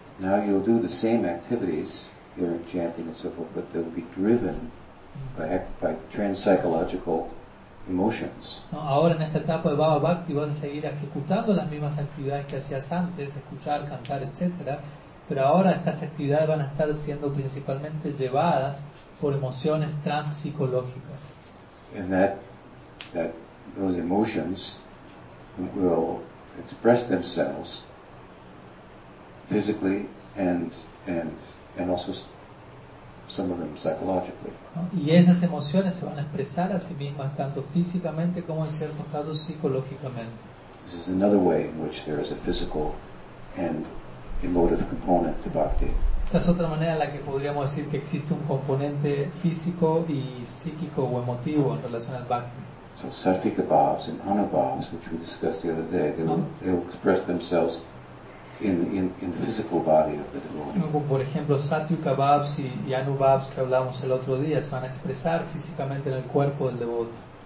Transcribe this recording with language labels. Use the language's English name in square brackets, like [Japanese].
[English] Now you'll do the same activities, you're chanting and so forth, but they'll be driven by trans-psychological emotions. [Spanish] No, ahora en esta etapa de bhava bhakti vas a seguir ejecutando las mismas actividades que hacías antes, escuchar, cantar, etcétera, pero ahora estas actividades van a estar siendo principalmente llevadas por emociones transpsicológicas. [English] And that those emotions will express themselves physically and also some of them psychologically. [Spanish] Y esas emociones se van a expresar a sí mismas tanto físicamente como en ciertos casos psicológicamente. [English] This is another way in which there is a physical and emotive component to bhakti. [Spanish] Esta es otra manera en la que podríamos decir que existe un componente físico y psíquico o emotivo en relación al bhakti. [English] So sattvika bhavas and anubhavas, which we discussed the other day, they will express themselves in the physical body of the devotee. [Spanish] Como por ejemplo sattvika bhavas y anubhavas que hablamos el otro día se van a expresar físicamente en el cuerpo del devoto.